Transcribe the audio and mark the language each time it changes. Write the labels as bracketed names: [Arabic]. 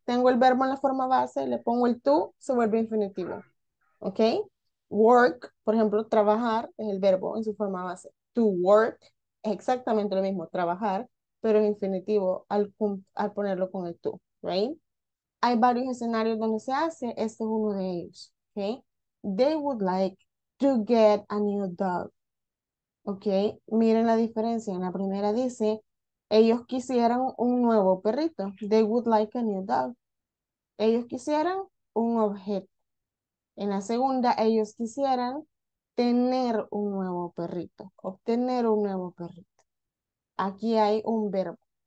[Spanish] Tengo el verbo en la forma base, le pongo el to, se vuelve infinitivo. ¿Ok? Work, por ejemplo, trabajar es el verbo en su forma base. To work es exactamente lo mismo, trabajar, pero en infinitivo al ponerlo con el to. ¿Right? Hay varios escenarios donde se hace, este es uno de ellos. ¿Ok? [English] They would like to get a new dog. [Spanish] Ok, miren la diferencia. En la primera dice, ellos quisieran un nuevo perrito. [English] They would like a new dog. [Spanish] Ellos quisieran un objeto. En la segunda, ellos quisieran tener un nuevo perrito. Obtener un nuevo perrito. Aquí hay un verbo.